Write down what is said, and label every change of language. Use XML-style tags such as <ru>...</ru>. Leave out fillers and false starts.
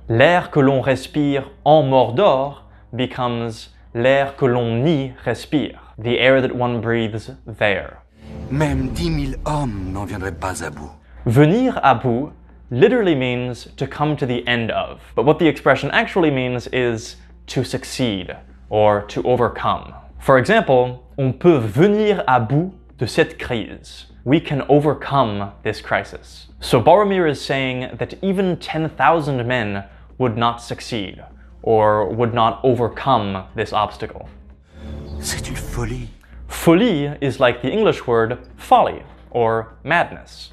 <fr>L'air que l'on respire en Mordor</fr> <en>becomes</en> <fr>l'air que l'on y respire,</fr> <en>the air that one breathes there.</en> <fr>Même 10,000 hommes n'en viendraient pas à bout.</fr> <en>Venir à bout literally means to come to the end of, but what the expression actually means is to succeed or to overcome. For example,</en> <fr>on peut venir à bout de cette crise.</fr> <en>We can overcome this crisis. So Boromir is saying that even 10,000 men would not succeed, or would not overcome this obstacle.</en> <fr>C'est une folie.</fr> <en>Folie is like the English word folly, or madness.</en>